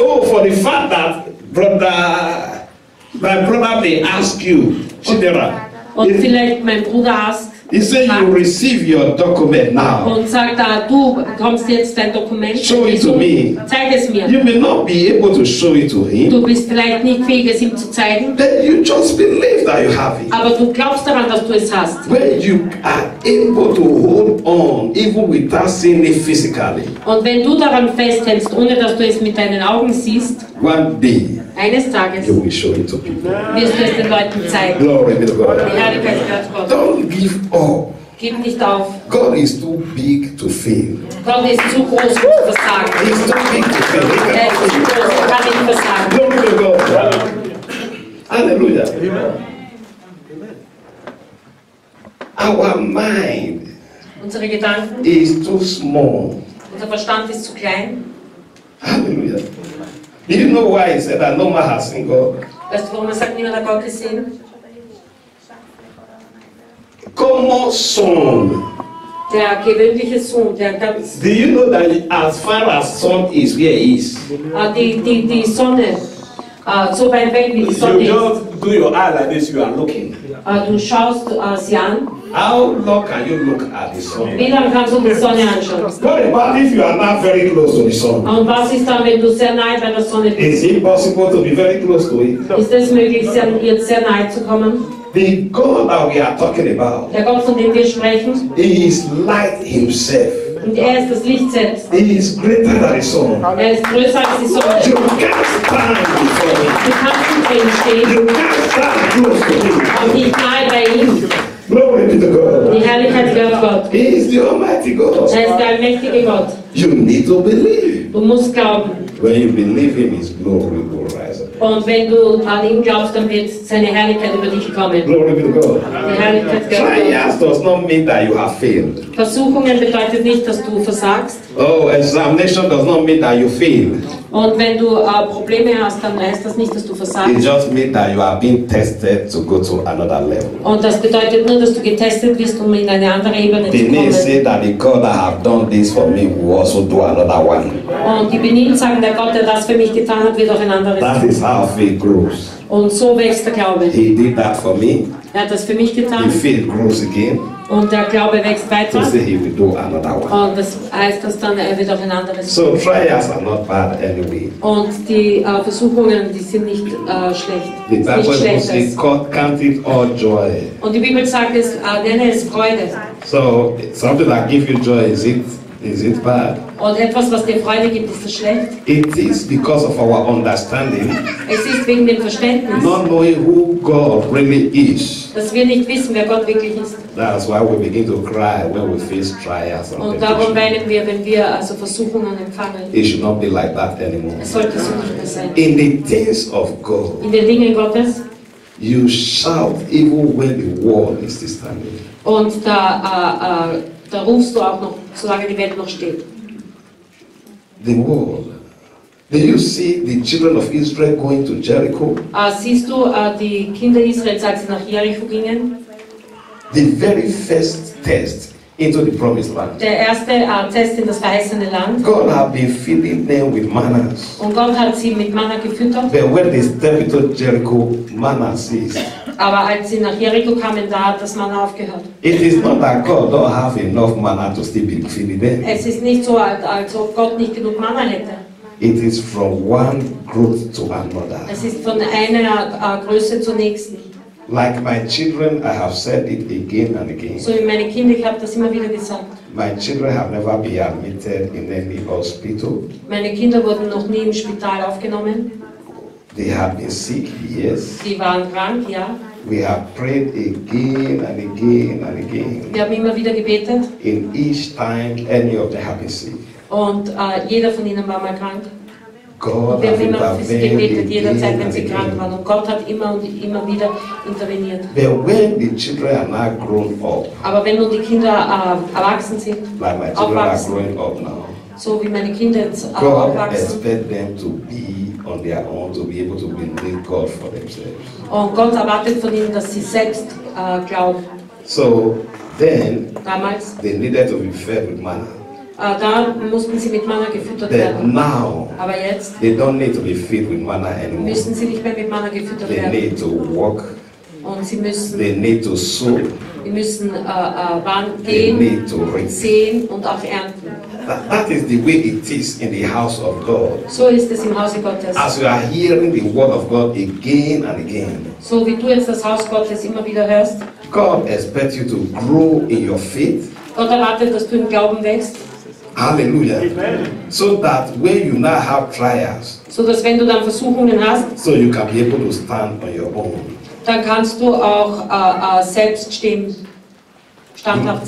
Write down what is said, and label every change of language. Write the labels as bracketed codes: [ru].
[en] Oh, for the fact that brother, my brother may ask you, Chidera. [de] Und vielleicht mein Bruder asked. [en] He said you receive your document now. [de] Und sagt, du bekommst jetzt dein Dokument. [en] Show it to me. [de] Zeig es mir. [en] You may not be able to show it to him. [de] Du bist vielleicht nicht fähig, es ihm zu zeigen. [en] But you just believe that you have it. [de] Aber du glaubst daran, dass du es hast. [en] When you are able to hold on, even without seeing it physically. [de] Und wenn du daran festhältst, ohne dass du es mit deinen Augen siehst. [en] One day. [de] Eines Tages [en] you will show it to people. [de] Wirst du es den Leuten zeigen. [en] Glory be to God. [de] Die Herrlichkeit gehört Gott. [en] Don't give up. [de] Gib nicht auf. [en] God is too big to fail. [de] Gott ist zu groß, um zu versagen. [en] He is too big to fail. [de] Er ist zu groß, er kann nicht versagen. [en] Glory be to God. Hallelujah. Amen. Our mind, [de] unsere Gedanken, [en] is too small. [de] Unser Verstand ist zu klein. [en] Hallelujah. Do you know why he said that no man has seen God? [de] Weißt du, warum er sagt, niemand hat Gott gesehen? Como son. Der gewöhnliche Sohn, der ganz. [en] Do you know that as far as son is, where he is? [de] Die Sonne. So weit weg wie die Sonne ist. [en] You just do your eye like this, you are looking. [de] Du schaust sie an. [en] How long can you look at the sun? [de] Wie lange kannst du die Sonne anschauen? [en] What about if you are not very close to the sun? [de] Und was ist dann, wenn du sehr nahe bei der Sonne bist? [en] Is it possible to be very close to it? [de] Ist es möglich, sehr nahe zu kommen? [en] The God that we are talking about. [de] Der Gott, von dem wir sprechen. [en] He is light himself. [de] Und er ist das Licht selbst. [en] He is greater than the sun. [de] Er ist größer als die Sonne. [en] You can't stand before [de] him. Du kannst nicht vor ihm stehen. [en] You can't stand close to him. [de] Und nicht nahe bei ihm. [en] Glory be to God. [de] Die Herrlichkeit gehört Gott. [en] He is the Almighty God. [de] Er ist der allmächtige Gott. [en] You need to believe. [de] Du musst glauben. [en] When you believe him, his glory will rise up. [de] Und wenn du an ihn glaubst, dann wird seine Herrlichkeit über dich kommen. [en] Glory be to God. [de] Die Herrlichkeit Gottes. [en] Trials does not mean that you have failed. [de] Versuchungen bedeutet nicht, dass du versagst. [en] Oh, examination does not mean that you fail. [de] Und wenn du Probleme hast, dann heißt das nicht, dass du versagst. [en] It just means that you are being tested to go to another level. [de] Und das bedeutet nur, dass du getestet wirst, um in eine andere Ebene zu kommen. [en] Benin said that the God that have done this for me will also do another one. [de] Und die Benin sagen, der Gott, der das für mich getan hat, wird auch ein anderes. [en] That is how faith grows. [de] Und so wächst der Glaube. [en] He did that for me. [de] Er hat das für mich getan. [en] The faith grows again. [de] Und der Glaube wächst weiter. [en] He said he will do another one. [de] Und das heißt, dass dann er wird auch ein anderes. [en] So trials are not bad anyway. [de] Und die Versuchungen, die sind nicht schlecht. [en] The Bible says God count it all joy. [de] Und die Bibel sagt es, nenne es Freude. [en] So something that gives you joy, is it bad? [de] Und etwas, was dir Freude gibt, ist das schlecht? [en] It is because of our understanding. [de] Es ist wegen dem Verständnis. [en] Not knowing who God really is. [de] Dass wir nicht wissen, wer Gott wirklich ist. [en] That's why we begin to cry when we face trials. [de] Und darum weinen wir, wenn wir also Versuchungen empfangen. [en] It should not be like that anymore. [de] Es sollte so nicht mehr sein. [en] In the things of God. [de] In den Dingen Gottes. [en] You shout even when the world is standing. [de] Und da rufst du auch noch, solange die Welt noch steht. [en] The world. Do you see the children of Israel going to Jericho? [de] Siehst du die Kinder Israels, als sie nach Jericho gingen? [en] The very first test into the promised land. [de] Der erste Test in das verheißene Land. [en] God had been feeding them with manna. [de] Und Gott hat sie mit Manna gefüttert. [en] But when they stepped into Jericho, manna ceased. [de] Aber als sie nach Jericho kamen, da hat das Manna aufgehört. [en] It is not that God don't have enough manna to still be feeding them. [de] Es ist nicht so, als ob Gott nicht genug Manna hätte. [en] It is from one growth to another. [de] Es ist von einer Größe zur nächsten. [en] Like my children, I have said it again and again. [de] So in meine Kinder, ich habe das immer wieder gesagt. [en] My children have never been admitted in any hospital. [de] Meine Kinder wurden noch nie im Spital aufgenommen. [en] They have been sick, yes. [de] Sie waren krank, ja. [en] We have prayed again and again and again. [de] Wir haben immer wieder gebetet. [en] In each time, any of them have been sick. [de] Und jeder von ihnen war mal krank. [en] God [de] wir haben immer für sie gebetet, jederzeit, wenn sie krank waren. Und Gott hat immer und immer wieder interveniert. [en] But when the children are not grown up, [de] aber wenn nun die Kinder erwachsen sind, [en] like my children are growing up now, [de] so wie meine Kinder jetzt [en] aufwachsen, on their own to be able to believe God for themselves. [de] Und Gott erwartet von ihnen, dass sie selbst glauben. [en] So then, [de] damals, [en] they needed to be fed with manna. [de] Da mussten sie mit Manna gefüttert [en] then [de] werden. [en] Now, [de] aber jetzt, [en] they don't need to be fed with manna anymore. [de] Müssen sie nicht mehr mit Manna gefüttert [en] they [de] werden. [en] They need to walk. [de] Und sie müssen. [en] They need to sow. [de] Sie müssen gehen, [en] they need to reap. [de] Sehen und auch ernten. [en] That is the way it is in the house of God. [de] So ist es im Hause Gottes. [en] As you are hearing the word of God again and again. [de] So wie du jetzt das Haus Gottes immer wieder hörst. [en] God expects you to grow in your faith. [de] Gott erwartet, dass du im Glauben wächst. [en] Hallelujah. Amen. So that when you now have trials. [de] So dass wenn du dann Versuchungen hast. [en] So you can be able to stand on your own. [de] Dann kannst du auch selbst stehen. Standhaft